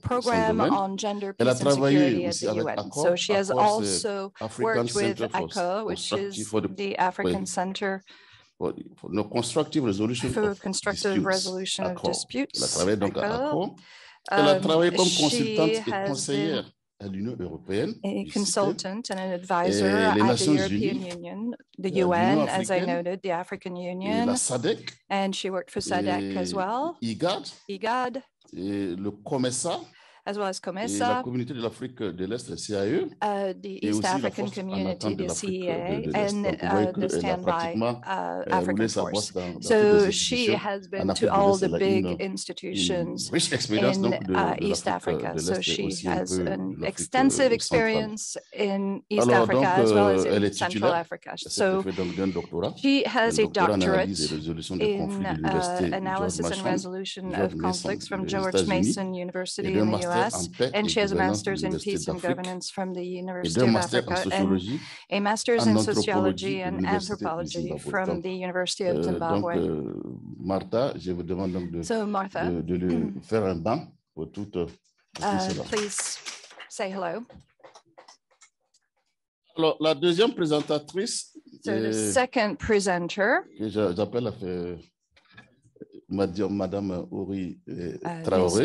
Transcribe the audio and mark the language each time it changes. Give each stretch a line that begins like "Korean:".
English: program on gender, peace, and security at the UN. So she has also worked with ECHO, which is the African Center for no constructive resolution for of constructive disputes. Resolution of disputes.
French: Elle a travaillé donc à ECHO. Elle a travaillé comme consultante et conseillère à l'Union européenne.
English: A consultant and an advisor at the European Union, the UN, as I noted, the African Union.
French: Et la SADC.
English: And she worked for SADC as well.
French: IGAD.
English: IGAD.
French: Et le COMESA.
English: As well as COMESA,
French: la communauté de l'Afrique de l'Est, la CAE,
English: the East African Community, the CEA, and the Standby African Force. So she has been to all the big institutions in East Africa. So she has an extensive experience in East Africa as well as in Central Africa. So she has a doctorate in analysis and resolution of conflicts from George Mason University in the US. And she has a master's in peace and governance from the University of Africa and a master's in sociology and anthropology from the University of Zimbabwe.
French: Martha, je vous demande donc de lui faire un bain pour toute
English: Please say hello.
French: Alors, la deuxième présentatrice,
English: the second presenter,
French: j'appelle à faire Madame Uri Traoré,